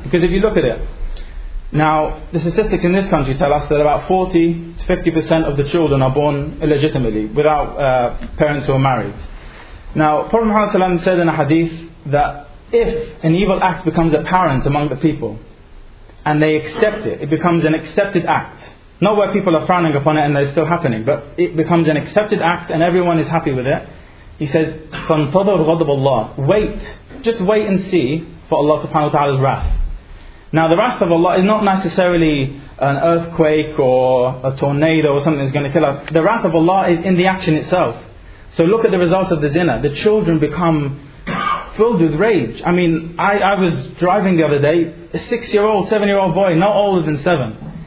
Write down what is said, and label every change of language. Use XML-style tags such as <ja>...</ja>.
<en>Because if you look at it, now the statistics in this country tell us that about 40 to 50% of the children are born illegitimately, without parents who are married. Now Prophet Muhammad said in a hadith that if an evil act becomes apparent among the people, and they accept it, it becomes an accepted act. Not where people are frowning upon it and it's still happening, but it becomes an accepted act and everyone is happy with it.</en> <ar>He says, فَانْتَظَرْ غَضَبَ اللَّهِ.</ar> <en>Wait, just wait and see for Allah subhanahu wa ta'ala's wrath. Now the wrath of Allah is not necessarily an earthquake or a tornado or something that's going to kill us. The wrath of Allah is in the action itself. So look at the result of the zina. The children become filled with rage. I mean, I was driving the other day, a 6-year-old, 7-year-old boy, not older than 7.</en>